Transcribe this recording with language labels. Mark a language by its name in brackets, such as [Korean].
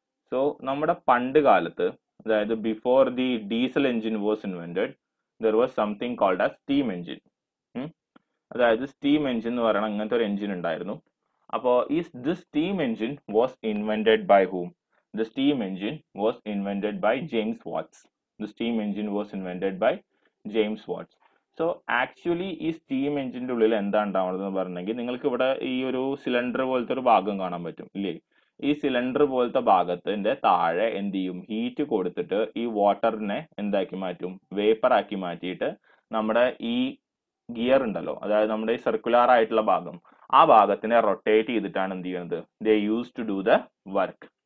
[English] so [Malayalam] നമ്മുടെ പണ്ട് കാലത്ത്, അതായത് [English] Before the diesel engine was invented, there was something called as steam engine. [Malayalam] അതായത് സ്റ്റീം എൻജിൻ എന്ന് പറയുന്ന ഇങ്ങനത്തെ ഒരു എൻജിൻ ഉണ്ടായിരുന്നു. അപ്പോൾ [English] ഈ this steam engine was invented by whom, the steam engine was invented by James Watts. The steam engine was invented by James Watts. [Malayalam] So actually ഈ steam എൻജിൻ്റെ ഉള്ളിൽ എന്താ ഉണ്ടാവുന്നത് എന്ന് പറഞ്ഞെങ്കിൽ, നിങ്ങൾക്ക് ഇവിടെ ഈ ഒരു സിലിണ്ടർ പോലത്തെ ഒരു ഭാഗം കാണാൻ പറ്റും ഇല്ലേ. ഈ സിലിണ്ടർ പോലത്തെ ഭാഗത്തിന്റെ താഴെ എന്ത് ചെയ്യും, ഹീറ്റ് കൊടുത്തിട്ട് ഈ വാട്ടറിനെ എന്താക്കി മാറ്റും, വേപ്പർ ആക്കി മാറ്റിയിട്ട് നമ്മുടെ ഈ ഗിയർ ഉണ്ടല്ലോ, അതായത് നമ്മുടെ ഈ സർക്കുലർ ആയിട്ടുള്ള ഭാഗം, ആ ഭാഗത്തിനെ റൊട്ടേറ്റ് ചെയ്തിട്ടാണ് എന്ത് ചെയ്യുന്നത്, [English] They use to do the work.